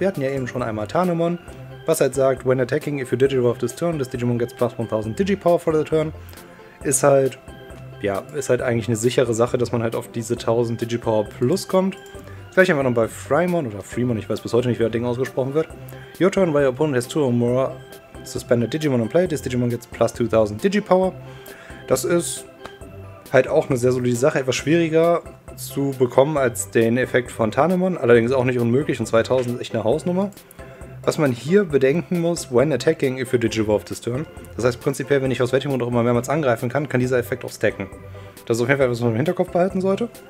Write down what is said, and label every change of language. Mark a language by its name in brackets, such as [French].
[German] Wir hatten ja eben schon einmal Tarnemon, was halt sagt, [English] when attacking, if you digivolve this turn, this Digimon gets plus 1000 Digipower for the turn. [German] Ist halt eigentlich eine sichere Sache, dass man halt auf diese 1000 Digipower plus kommt. Vielleicht haben wir noch bei Freemon oder Freemon, ich weiß bis heute nicht, wie das Ding ausgesprochen wird. [English] Your turn, while your opponent has 2 or more suspended Digimon on play, this Digimon gets plus 2000 Digipower. [German] Das ist halt auch eine sehr solide Sache, etwas schwieriger zu bekommen als den Effekt von Tarnemon, allerdings auch nicht unmöglich, und 2000 ist echt eine Hausnummer. Was man hier bedenken muss, [English] when attacking, if you digivolve this turn. [German] Das heißt prinzipiell, wenn ich aus welchem Grund auch immer mehrmals angreifen kann, kann dieser Effekt auch stacken. Das ist auf jeden Fall etwas, was man im Hinterkopf behalten sollte.